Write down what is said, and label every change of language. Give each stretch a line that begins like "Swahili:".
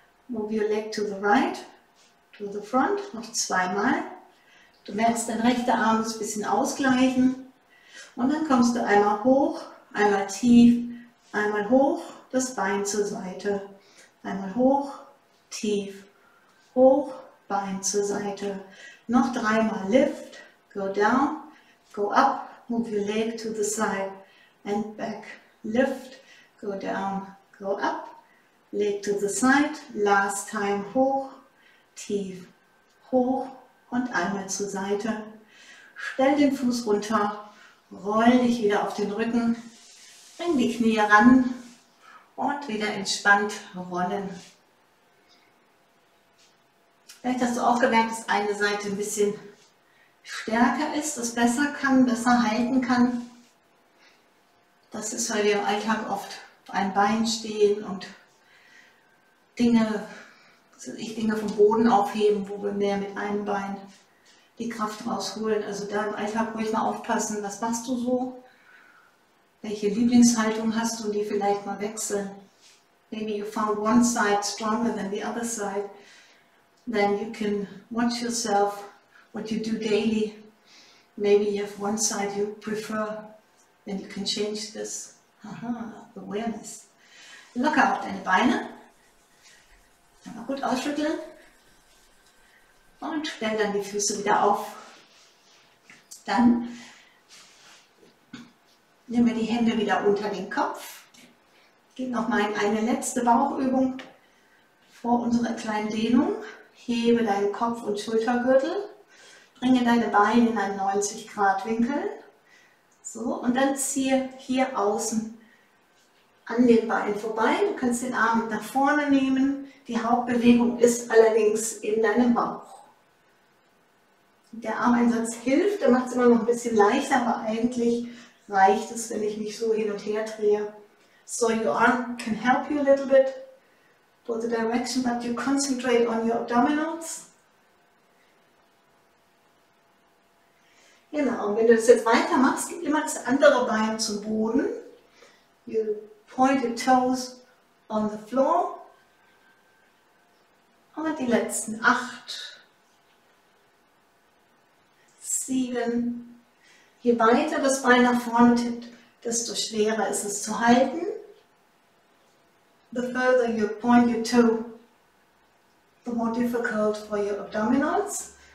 English: Move your leg to the right, to the front,
German: noch zweimal. Du merkst, dein rechter Arm ist ein bisschen ausgleichen. Und dann kommst du einmal hoch, einmal tief, einmal hoch, das Bein zur Seite. Einmal hoch, tief, hoch, Bein zur Seite. Noch dreimal
English: lift, go down, go up, move your leg to the side and back. Lift, go down, go up, leg to the side, last time
German: hoch, tief, hoch und einmal zur Seite. Stell den Fuß runter, roll dich wieder auf den Rücken, bring die Knie ran. Und wieder entspannt rollen. Vielleicht hast du auch gemerkt, dass eine Seite ein bisschen stärker ist, das besser kann, besser halten kann. Das ist, weil wir im Alltag oft auf einem Bein stehen und Dinge vom Boden aufheben, wo wir mehr mit einem Bein die Kraft rausholen. Also da im Alltag ruhig mal aufpassen, was machst du so? Welche Lieblingshaltung hast du, die vielleicht mal wechseln?
English: Maybe you found one side stronger than the other side. Then you can watch yourself, what you do daily. Maybe you have one side you prefer. Then you can change this.
German: Aha, awareness. Locker auch deine Beine. Einmal gut ausschütteln. Und stell dann die Füße wieder auf. Dann nehmen wir die Hände wieder unter den Kopf. Geht nochmal in eine letzte Bauchübung vor unserer kleinen Dehnung. Hebe deinen Kopf und Schultergürtel. Bringe deine Beine in einen 90-Grad-Winkel. So, und dann ziehe hier außen an den Beinen vorbei. Du kannst den Arm nach vorne nehmen. Die Hauptbewegung ist allerdings in deinem Bauch. Der Armeinsatz hilft, der macht es immer noch ein bisschen leichter, aber eigentlich reicht es, wenn ich mich so hin und her drehe.
English: So your arm can help you a little bit for the direction, but you concentrate on your abdominals.
German: Genau, und wenn du das jetzt weitermachst, gib immer das andere Bein zum Boden.
English: You point your toes on the floor.
German: Und die letzten 8, 7. Je weiter das Bein nach vorne tippt, desto schwerer ist es zu halten.
English: The further you point your toe, the more difficult for your abdominals.